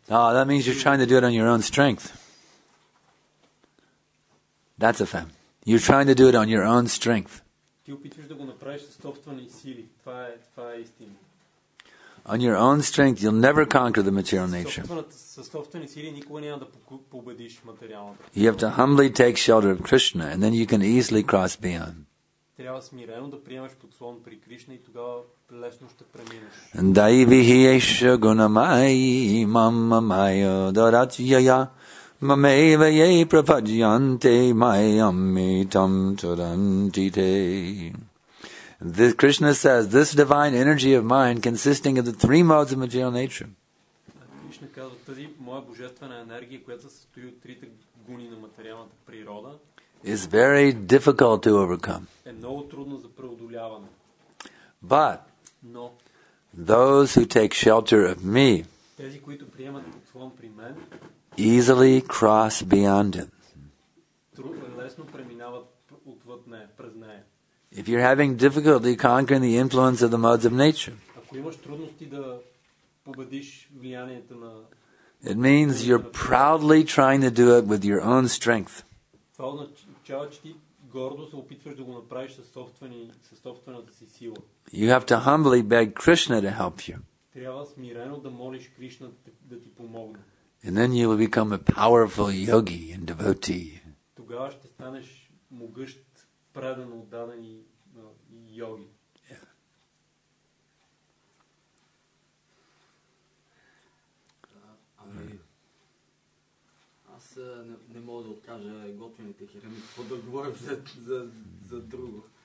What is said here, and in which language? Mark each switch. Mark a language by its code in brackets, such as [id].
[en] Oh, that means you're trying to do it on your own strength. That's a fact. You're trying to do it on your own strength. [bg] Ти опитваш да го направиш със собствени сили. Това е истина. [en] On your own strength, you'll never conquer the material nature. [bg] Със собствени сили никога няма да победиш материалното. [en] You have to humbly take shelter of Krishna, and then you can easily cross beyond. [bg] Трябва смирено да приемаш подслон при Кришна и тогава лесно ще преминеш. [sa] Дай вихи еша гунамай, мама майо дарачия, Mameva ye prapajyante mayami tam turantite. [en] This Krishna says, this divine energy of mine consisting of the three modes of material nature. [bg] Krishna казва, тази моя божествена енергия, която се състои от трите гуни на материалната природа, [en] is very difficult to overcome. [bg] Е много трудно за преодоляване. [en] But no. Those who take shelter of me, [bg] тези, които приемат подслон при мен, [en] easily cross beyond it. [bg] Лесно преминават отвъд нея, през нея. [en] If you're having difficulty conquering the influence of the modes of nature, [bg] ако имаш трудности да победиш влиянието на, [en] it means you're proudly trying to do it with your own strength. [bg] Това означава, че ти гордо се опитваш да го направиш със собствената си сила. [en] You have to humbly beg Krishna to help you. [bg] Трябва смирено да молиш Кришна да ти помогне. [en] And then you will become a powerful yogi and devotee. [bg] Тогава ще станеш могъщ, предан, отдаден йоги. Аз не мога да откажа готвените хирами. Какво да говорим за друго?